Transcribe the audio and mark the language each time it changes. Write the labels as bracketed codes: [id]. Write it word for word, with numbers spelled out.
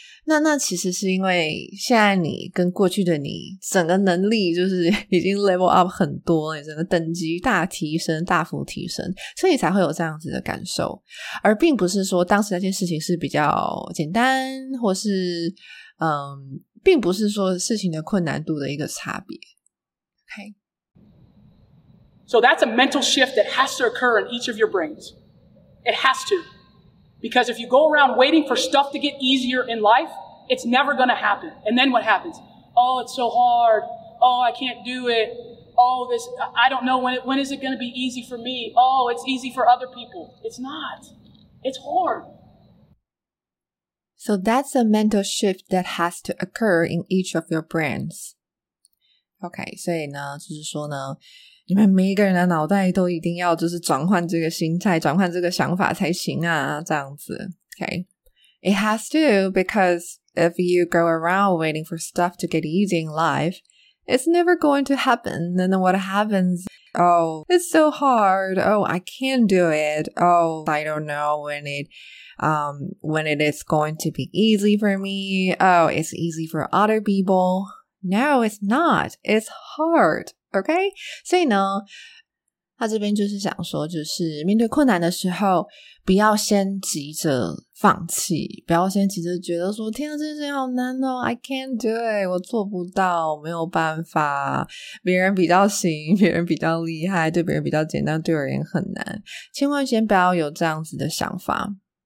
[zh] 那那其实是因为现在你跟过去的你整个能力就是已经 level up 很多了，整个等级大提升，大幅提升，所以才会有这样子的感受，而并不是说当时那件事情是比较简单，或是嗯，并不是说事情的困难度的一个差别。 OK， [en] So that's a mental shift that has to occur in each of your brains. It has to. Because if you go around waiting for stuff to get easier in life, it's never going to happen. And then what happens? Oh, it's so hard. Oh, I can't do it. Oh, this, I don't know when it, when is it going to be easy for me? Oh, it's easy for other people. It's not. It's hard. So that's a mental shift that has to occur in each of your brains. [zh] OK， 所以呢，就是说呢，你们每一个人的脑袋都一定要就是转换这个心态，转换这个想法才行啊，这样子。 [en] Okay. It has to, because if you go around waiting for stuff to get easy in life, it's never going to happen. And then what happens Oh, it's so hard. Oh, I can't do it. Oh, I don't know when it um when it is going to be easy for me. Oh, it's easy for other people. No, it's not. It's hard. Okay? [zh] 所以呢，他这边就是想说，就是面对困难的时候，不要先急着放弃，不要先急着觉得说天啊，这件事情好难哦 [en] I can't do it， [zh] 我做不到，我没有办法，别人比较行，别人比较厉害，对别人比较简单，对我而言很难，千万先不要有这样子的想法。